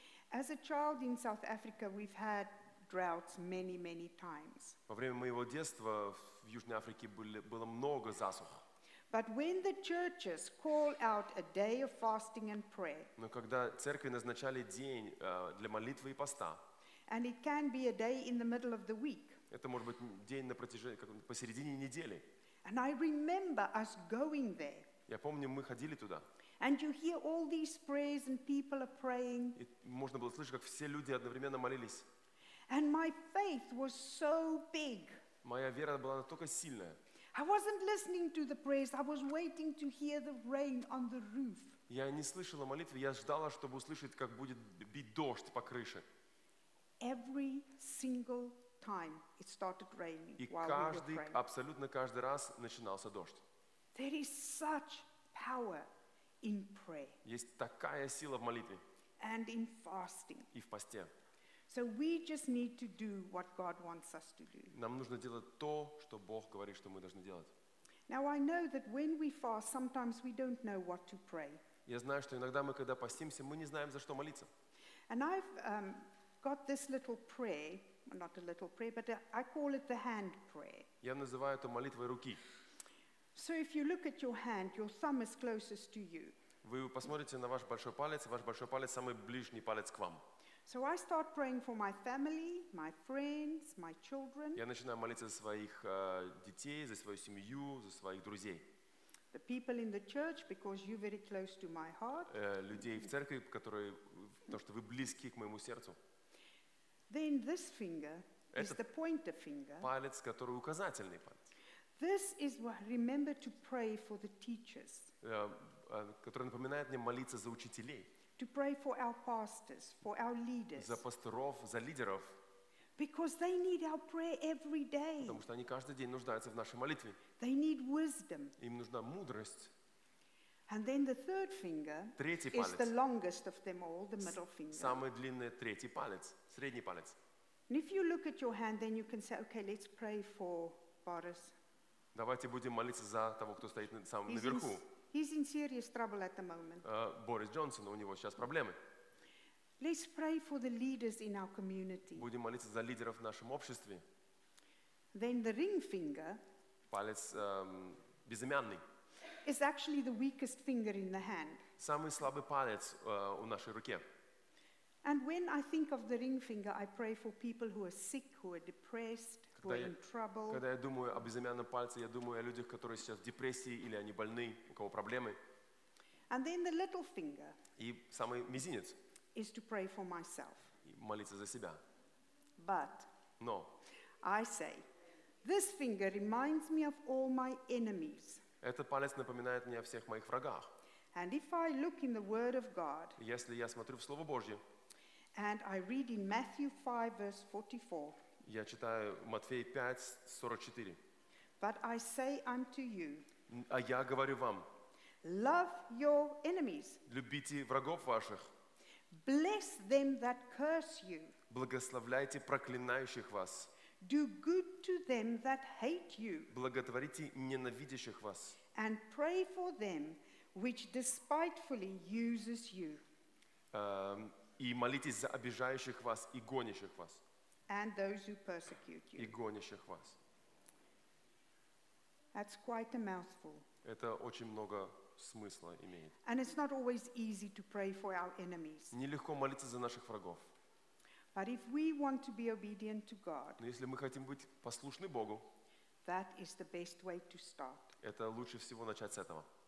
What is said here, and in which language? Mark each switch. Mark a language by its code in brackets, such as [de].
[en] As a child in South Africa, we've had droughts many, many times. [ru] Во время моего детства в Южной Африке было много засух. [en] But when the churches call out a day of fasting and prayer, [ru] но когда церкви назначали день для молитвы и поста, [en] and it can be a day in the middle of the week, [ru] это может быть день на протяжении как посередине недели, [en] and I remember us going there, [ru] я помню мы ходили туда, [en] and you hear all these prayers and people are praying, [ru] и можно было слышать как все люди одновременно молились, [en] and my faith was so big, [ru] моя вера была настолько сильная. [en] I wasn't listening to the prayers. I was waiting to hear the rain on the roof. [ru] Я не слышала молитвы. Я ждала, чтобы услышать, как будет бить дождь по крыше. [en] Every single time it started raining while we were praying. [ru] И каждый, абсолютно каждый раз начинался дождь. [en] There is such power in prayer. [ru] Есть такая сила в молитве. [en] And in fasting. [ru] И в посте. [en] So we just need to do what God wants us to do. [ru] Нам нужно делать то, что Бог говорит, что мы должны делать. [en] Now I know that when we fast, sometimes we don't know what to pray. [ru] Я знаю, что иногда мы, когда постимся, мы не знаем, за что молиться. [en] And I've got this little prayer, not a little prayer, but I call it the hand prayer. [ru] Я называю это молитвой руки. [en] So if you look at your hand, your thumb is closest to you. [ru] Вы посмотрите на ваш большой палец самый ближний палец к вам. [en] So I start praying for my family, my friends, my children. [ru] Я начинаю молиться за своих детей, за свою семью, за своих друзей. [en] The people in the church, because you're very close to my heart. [ru] Людей в церкви, которые, потому что вы близки к моему сердцу. [en] Then this finger is the pointer finger. [ru] Палец, который указательный палец. [en] This is what, remember to pray for the teachers. [ru] Который напоминает мне молиться за учителей. [en] To pray for our pastors, for our leaders. [ru] За пасторов, за лидеров. [en] Because they need our prayer every day. [ru] Потому что они каждый день нуждаются в нашей молитве. [en] They need wisdom. [ru] Им нужна мудрость. [en] And then the third finger. [ru] Третий палец. [en] Is the longest of them all, the middle finger. [ru] Самый длинный третий палец, средний палец. [en] And if you look at your hand, then you can say, okay, let's pray for Boris. [ru] Давайте будем молиться за того, кто стоит на самом наверху. [en] He's in serious trouble at the moment. [ru] Борис Джонсон, у него сейчас проблемы. [en] Let's pray for the leaders in our community. [ru] Будем молиться за лидеров в нашем обществе. [en] Then the ring finger. [ru] Палец безымянный. [en] Is actually the weakest finger in the hand. [ru] Самый слабый палец у нашей руки. [en] And when I think of the ring finger, I pray for people who are sick, who are depressed, who are in trouble. [ru] Когда я думаю об безымянном пальце, я думаю о людях, которые сейчас в депрессии или они больны, у кого проблемы. [en] And then the little finger. [ru] И самый мизинец. [en] Is to pray for myself. [ru] И молиться за себя. [en] But. [ru] Но. [en] I say, this finger reminds me of all my enemies. [ru] Этот палец напоминает мне о всех моих врагах. [en] And if I look in the Word of God. [ru] Если я смотрю в Слово Божье. [en] And I read in Matthew 5, verse 44. [ru] Я читаю Матфея 5:44. [en] But I say unto you. [ru] А я говорю вам. [en] Love your enemies. [ru] Любите врагов ваших. [en] Bless them that curse you. [ru] Благословляйте проклинающих вас. [en] Do good to them that hate you. [ru] Благотворите ненавидящих вас. [en] And pray for them which despitefully uses you. [ru] И молитесь за обижающих вас и гонящих вас. [en] And those who persecute you. [ru] И гонящих вас. [en] That's quite a mouthful. [ru] Это очень много смысла имеет. [en] And it's not always easy to pray for our enemies. [ru] Нелегко молиться за наших врагов. [en] But if we want to be obedient to God. [ru] Но если мы хотим быть послушны Богу. [en] That is the best way to start. [ru] Это лучше всего начать с этого.